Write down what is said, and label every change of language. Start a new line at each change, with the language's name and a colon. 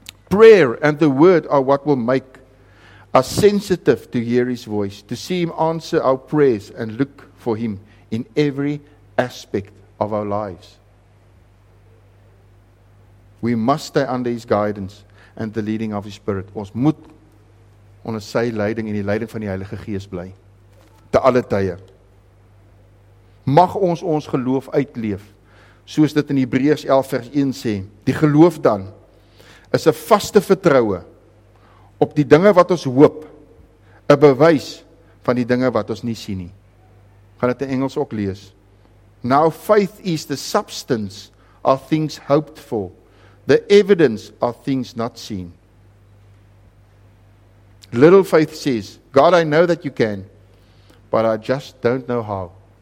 English: Prayer and the word are what will make us sensitive to hear his voice, to see him answer our prayers and look for him in every aspect of our lives. We must stay under his guidance and the leading of his spirit.
Afrikaans: Ons moet onder sy leiding en die leiding van die Heilige Gees bly. Te alle tye. Mag ons ons geloof uitleef. Soos dit in Hebreërs 11 vers 1 sê. Die geloof dan is 'n vaste vertroue op die dinge wat ons hoop. 'N bewys van die dinge wat ons nie sien nie. Gaan dit in Engels ook lees.
English: Now faith is the substance of things hoped for. The evidence of things not seen. Little faith says, God, I know that you can, but I just don't know how.